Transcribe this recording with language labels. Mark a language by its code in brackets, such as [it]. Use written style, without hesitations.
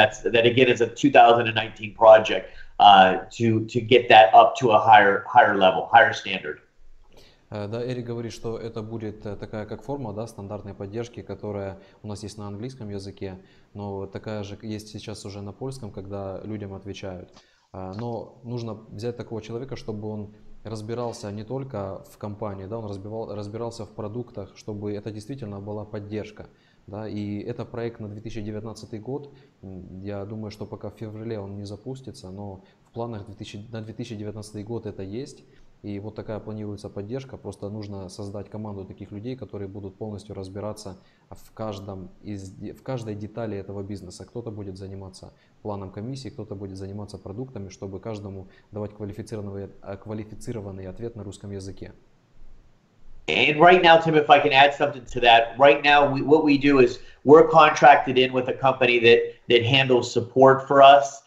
[en] That again is a 2019 project to get that up to a higher level, higher standard. [ru] Да, Эрик говорит, что это будет такая как форма, да, стандартной поддержки, которая у нас есть на английском языке, но такая же есть сейчас уже на польском, когда людям отвечают. Но нужно взять такого человека, чтобы он разбирался не только в компании, да, он разбирался в продуктах, чтобы это действительно была поддержка, да, и это проект на 2019 год, я думаю, что пока в феврале он не запустится, но в планах на 2019 год это есть, и вот такая планируется поддержка, просто нужно создать команду таких людей, которые будут полностью разбираться в каждой детали этого бизнеса, кто-то будет заниматься планом комиссии, кто-то будет заниматься продуктами, чтобы каждому давать квалифицированный ответ на русском языке. [en] And right now, Tim, if I can add something to that, right now what we do is we're contracted in with a company that handles support for us.